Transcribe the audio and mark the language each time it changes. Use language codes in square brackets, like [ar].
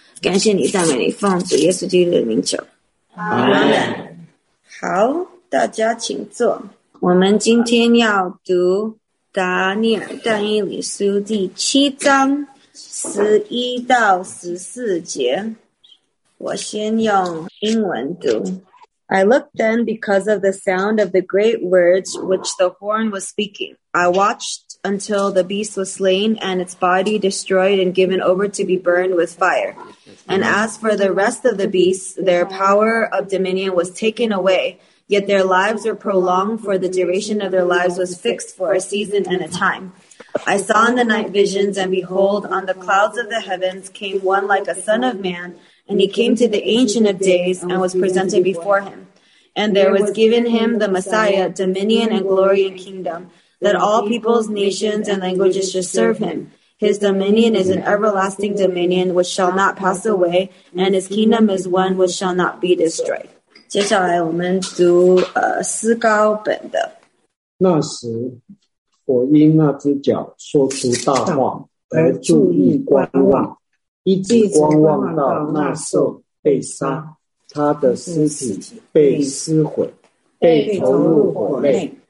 [zh] 感谢你，赞美你，奉主耶稣基督的名求，阿门。好，大家请坐。我们今天要读达尼尔但以理书第七章11-14。我先用英文读。 [en] I looked then because of the sound of the great words which the horn was speaking. I watched until the beast was slain and its body destroyed and given over to be burned with fire. And as for the rest of the beasts, their power of dominion was taken away, yet their lives were prolonged, for the duration of their lives was fixed for a season and a time. I saw in the night visions, and behold, on the clouds of the heavens came one like a son of man, and he came to the Ancient of Days and was presented before him. And there was given him the Messiah, dominion and glory and kingdom, that all peoples, nations, and languages should serve him. His dominion is an everlasting dominion which shall not pass away, and his kingdom is one which shall not be destroyed. [zh] 接下来我们读诗高本的。那时我因那只脚说出大话而注意观望，一直观望到那兽被杀，他的尸体被撕毁，被投入火内。